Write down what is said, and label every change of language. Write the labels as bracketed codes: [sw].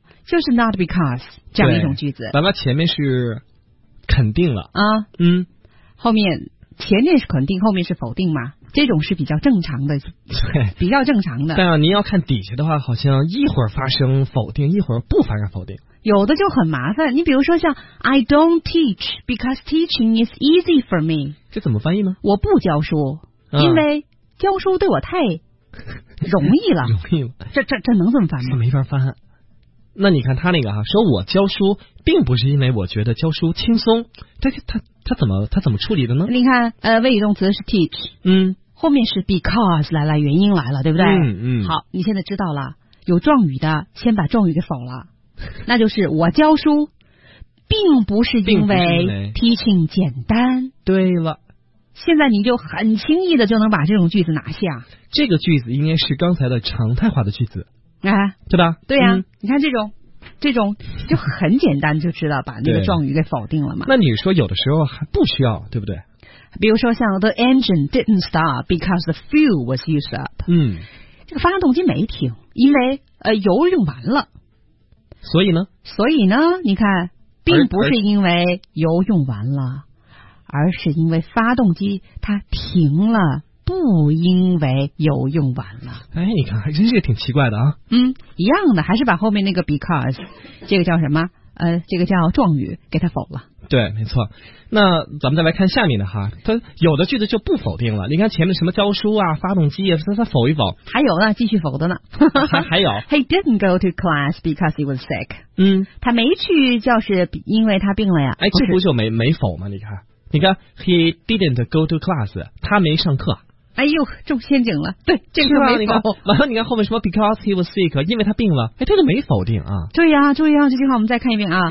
[zh] 就是 not because 这样一种句子。咱们前面是。肯定了啊，后面前面是肯定，后面是否定嘛，这种是比较正常的，对，比较正常的。但是您要看底下的话，好像一会儿发生否定，一会儿不发生否定，有的就很麻烦。你比如说像 [en] I don't teach because teaching is easy for me， [zh] 这怎么翻译呢？我不教书，因为教书对我太容易了，容易了，这能这么翻吗？没法翻。那你看他那个哈，说我教书并不是因为我觉得教书轻松，他怎么处理的呢？你看，谓语动词是 teach， 后面是 because 来了，原因来了，对不对？好，你现在知道了，有状语的先把状语给否了，那就是我教书并不是因为 teaching 简单。对了。现在你就很轻易的就能把这种句子拿下。这个句子应该是刚才的常态化的句子。对吧？对呀、你看这种就很简单，就知道把那个状语给否定了嘛。那你说有的时候还不需要，对不对？比如说像 [en] the engine didn't start because the fuel was used up。 [zh] 这个发动机没停，因为油用完了。所以呢？所以呢？你看，并不是因为油用完了，而是因为发动机它停了。不因为油用完了。哎，你看还真是挺奇怪的啊。一样的，还是把后面那个 because 这个叫什么这个叫状语给它否了。对，没错。那咱们再来看下面的哈，它有的句子就不否定了。你看前面什么教书啊、发动机啊，它否一否。还有呢，继续否的呢。还有。 [en] He didn't go to class because he was sick。 [zh] 他没去，就是因为他病了呀。哎，这不就没否吗？你看 ， [en] He didn't go to class， [zh] 他没上课。哎呦，中陷阱了！对，这个没否。完了，你看后面什么 ？ [en] Because he was sick， [zh] 因为他病了。哎，这个没否定啊。对呀、注意啊，这句话我们再看一遍啊。